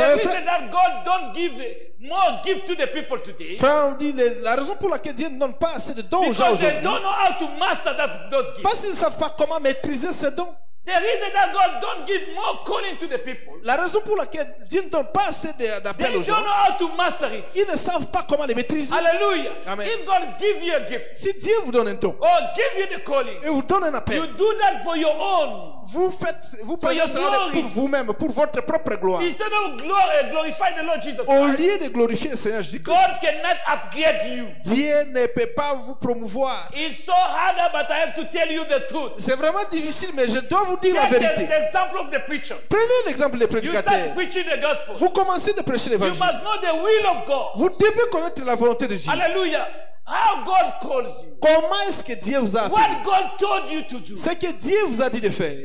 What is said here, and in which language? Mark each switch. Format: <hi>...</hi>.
<en>the reason that God don't give more gift to the people today.</en> <fr>Frère, on dit la raison pour laquelle Dieu ne donne pas assez de dons aux gens aujourd'hui.</fr> <en>Because they don't know how to master those gifts.</en> <fr>Parce qu'ils ne savent pas comment maîtriser ces dons.</fr> <en>The reason that God don't give more calling to the people.</en> <fr>La raison pour laquelle Dieu ne donne pas assez d'appel aux gens.</fr> <en>They don't know how to master it.</en> <fr>Ils ne savent pas comment les maîtriser. Hallelujah. Amen.</fr> <en>If God give you a gift.</en> <fr>Si Dieu vous donne un don.</fr> <en>Or give you the calling.</en> <fr>Et vous donne un appel.</fr> <en>You do that for your own.</en> <fr>Vous faites, vous prenez cela pour vous-même, pour votre propre gloire.</fr> <en>Instead of glorify the Lord Jesus.</en> <fr>Au lieu de glorifier le Seigneur Jésus.</fr> <en>God cannot upgrade you.</en> <fr>Dieu ne peut pas vous promouvoir.</fr> <en>It's so hard, but I have to tell you the truth.</en> <fr>C'est vraiment difficile, mais je dois vous dire</fr> <en>take</en> <fr>la vérité.</fr> <en>The example of the preacher.</en> <fr>Prenez l'exemple des prédicateurs.</fr> <en>You start preaching the gospel.</en> <fr>Vous commencez de prêcher l'évangile.</fr> <en>You must know the will of God.</en> <fr>Vous devez connaître la volonté de Dieu.</fr> <en>Alléluia. How God calls you.</en> <fr>Comment est-ce que Dieu vous a appelé?</fr> <en>What God told you to do.</en> <fr>Ce que Dieu vous a dit de faire.</fr>